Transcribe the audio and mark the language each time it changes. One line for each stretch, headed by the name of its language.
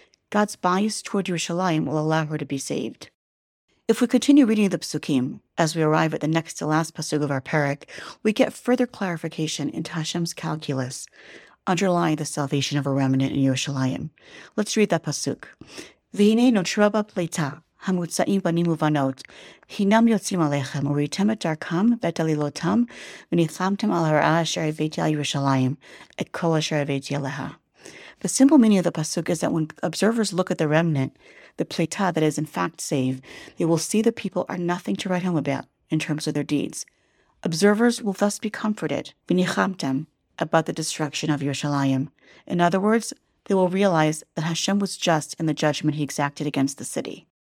English: God's bias toward Yerushalayim will allow her to be saved. If we continue reading the pasukim, as we arrive at the next to last pasuk of our parak, we get further clarification into Hashem's calculus underlying the salvation of a remnant in Yerushalayim. Let's read that pasuk.
Hebrew: V'hinei notra ba pleita. המוצאים בנים ובנות, הינם יוצאים עליכם, וראיתם את דרכם ואת עלילותם, וניחמתם על הרעה אשר הבאתי על ירושלים, את כל אשר הבאתי עליה.
English: The simple meaning of the pasuk is that when observers look at the remnant, the pleita that is in fact saved, they will see the people are nothing to write home about in terms of their deeds. Observers will thus be comforted, v'nichamtem, about the destruction of Yerushalayim. In other words, they will realize that Hashem was just in the judgment he exacted against the city.